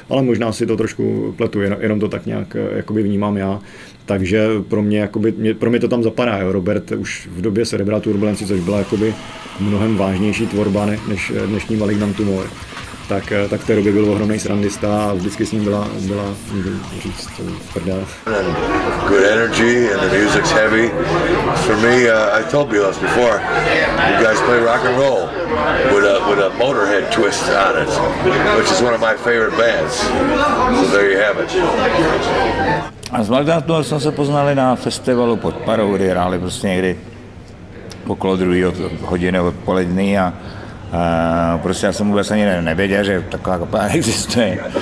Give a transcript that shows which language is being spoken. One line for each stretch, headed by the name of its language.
Czech: Ale možná si to trošku pletu, jenom to tak nějak jakoby vnímám já. Takže pro mě to tam zapadá. Jo. Robert už v době Cerebral Turbulence, což byla jakoby mnohem vážnější tvorba než dnešní Malignant Tumor. Tak v té době byl ohromný srandista a vždycky s ním byla říct prdel.
English: Good energy and the music's heavy. For me, I told you last before, you guys play rock and roll with a Motorhead twist on it, which is one of my favorite bands. So there you have it.
Czech: A s Malignantem jsme se poznali na festivalu pod Parou, kdy hráli prostě někdy okolo druhého hodiny odpolední a prostě já jsem vůbec ani nevěděl, že taková kapela existuje.